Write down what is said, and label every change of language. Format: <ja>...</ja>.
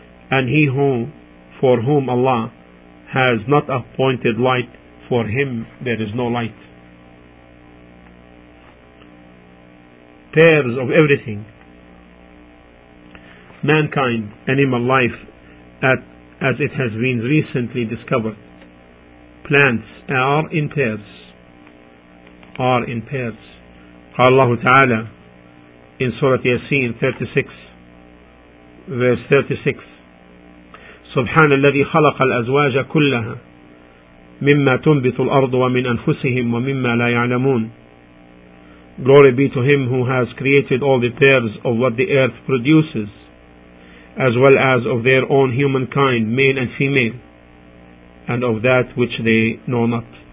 <en>And he who, for whom Allah has not appointed light, for him there is no light. Pairs of everything, mankind, animal life, as it has been recently discovered, plants are in pairs.</en> <ar>قال الله تعالى</ar> <en>in Surah Yasin 36:36,</en> <ar>سبحان الذي خلق الأزواج كلها مما تنبت الأرض ومن أنفسهم ومما لا يعلمون.</ar> <en>Glory be to him who has created all the pairs of what the earth produces, as well as of their own humankind, male and female, and of that which they know not.</en>